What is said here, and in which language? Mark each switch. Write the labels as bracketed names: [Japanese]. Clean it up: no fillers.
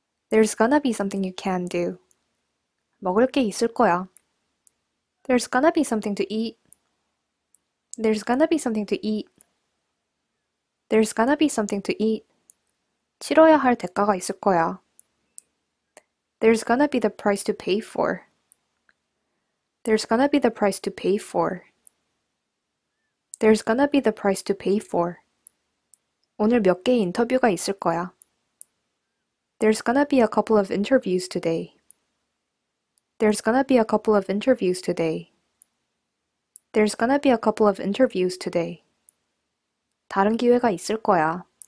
[English] There's gonna be something you can do. [Korean] 먹을 게 있을 거야. [English] There's gonna be something to eat. There's gonna be something to eat. There's gonna be something to eat. [Korean] 치러야 할 대가가 있을 거야. [English] There's gonna be the price to pay for. There's gonna be the price to pay for. There's gonna be the price to pay for. [Korean] 오늘 몇 개의 인터뷰가 있을 거야. [English] There's gonna be a couple of interviews today. There's gonna be a couple of interviews today. There's gonna be a couple of interviews today. [Korean] 다른 기회가 있을 거야.